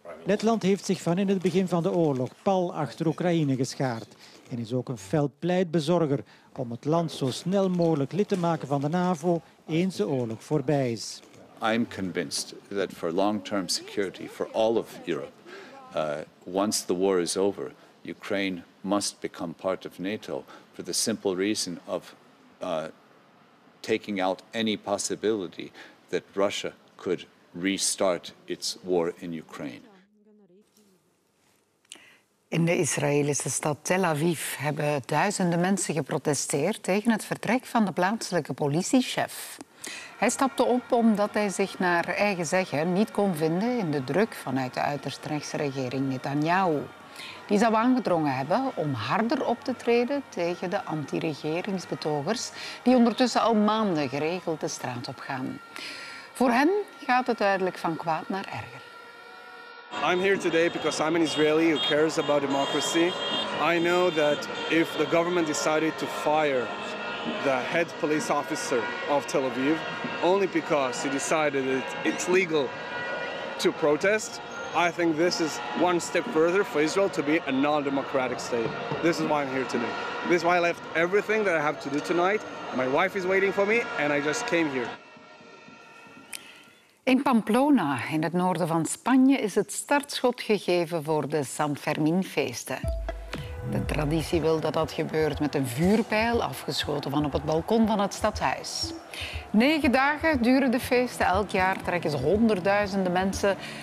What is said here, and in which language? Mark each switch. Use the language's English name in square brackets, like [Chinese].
[Dutch] Letland heeft zich van in het begin van de oorlog pal achter Oekraïne geschaard en is ook een fel pleitbezorger om het land zo snel mogelijk lid te maken van de NAVO eens de oorlog voorbij is. [English] I'm convinced that for long-term security for all of Europe, once the war is over, Ukraine must become part of NATO for the simple reason of taking out any possibility that Russia could restart its war in Ukraine. [Dutch] In de Israëlische stad Tel Aviv hebben duizenden mensen geprotesteerd tegen het vertrek van de plaatselijke politiechef. Hij stapte op omdat hij zich naar eigen zeggen niet kon vinden in de druk vanuit de uiterst rechtse regering Netanyahu. Die zou aangedrongen hebben om harder op te treden tegen de anti-regeringsbetogers die ondertussen al maanden geregeld de straat op gaan. Voor hen gaat het duidelijk van kwaad naar erger. [English] I'm here today because I'm an Israeli who cares about democracy. I know that if the government decided to fire the head police officer of Tel Aviv only because he decided that it's legal to protest, I think this is one step further for Israel to be a non-democratic state. This is why I'm here today. This is why I left everything that I have to do tonight. My wife is waiting for me and I just came here. [Dutch] In Pamplona, in het noorden van Spanje, is het startschot gegeven voor de San Fermín-feesten. De traditie wil dat dat gebeurt met een vuurpijl afgeschoten van op het balkon van het stadhuis. 9 dagen duren de feesten. Elk jaar trekken ze 100.000 mensen.